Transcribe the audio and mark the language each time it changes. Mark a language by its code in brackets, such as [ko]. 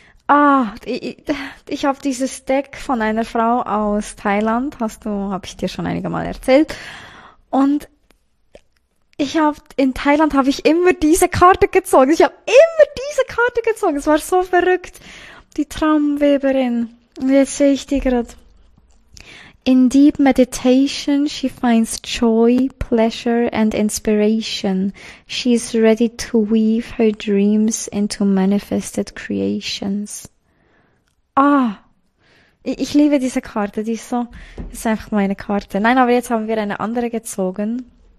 [de] Ah, ich habe dieses Deck von einer Frau aus Thailand. Habe ich dir schon einige Mal erzählt. Und in Thailand habe ich immer diese Karte gezogen. Ich habe immer diese Karte gezogen. Es war so verrückt. Die Traumweberin. Und jetzt sehe ich die gerade. [en] In deep meditation, she finds joy, pleasure and inspiration. She is ready to weave her dreams into manifested creations. [de] Ah, ich liebe diese Karte. Ist einfach meine Karte. Nein, aber jetzt haben wir eine andere gezogen.